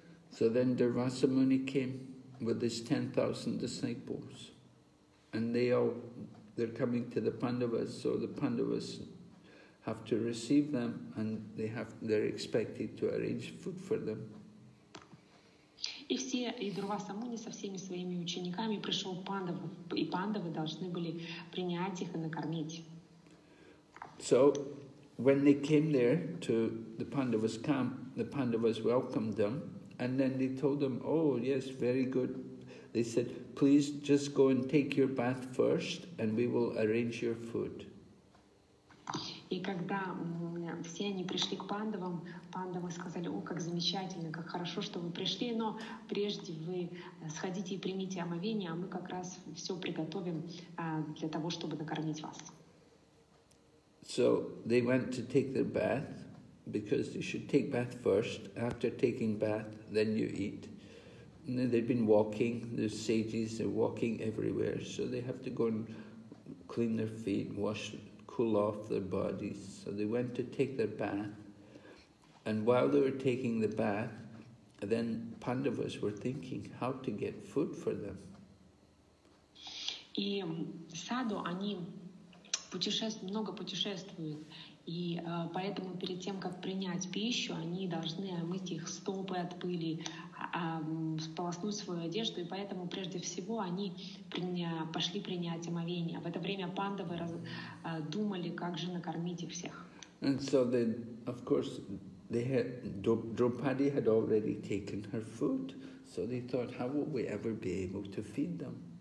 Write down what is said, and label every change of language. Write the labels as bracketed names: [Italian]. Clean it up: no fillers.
[English] So then Durvasa Muni came with his 10,000 disciples, and they're coming to the Pandavas, so the Pandavas have to receive them, and they're expected to arrange food for them. [Russian] И все, и Дурваса Муни со всеми своими учениками пришел Пандавы, и Пандавы должны были принять их и накормить. [English] So when they came there to the Pandavas camp, the Pandavas welcomed them. And then they told them, oh, yes, very good. They said, please just go and take your bath first, and we will arrange your food. [Russian] И когда все они пришли к Пандавам, Пандавы сказали, о, как замечательно, как хорошо, что вы пришли, но прежде вы сходите и примите омовение, а мы как раз все приготовим для того, чтобы накормить вас. [English] So they went to take their bath, because you should take bath first. After taking bath, then you eat. They've been walking, the sages are walking everywhere, so they have to go and clean their feet, wash, cool off their bodies. So they went to take their bath, and while they were taking the bath, then Pandavas were thinking how to get food for them. [Russian] И саду они путешествуют, много путешествуют, и поэтому перед тем, как принять пищу, они должны омыть их стопы от пыли, сполоснуть свою одежду, и поэтому прежде всего они пошли принять омовение. В это время пандавы думали, как же накормить их всех. [English] And so then, of course, they had, Draupadi had already taken her food, so they thought, how will we ever be able to feed them?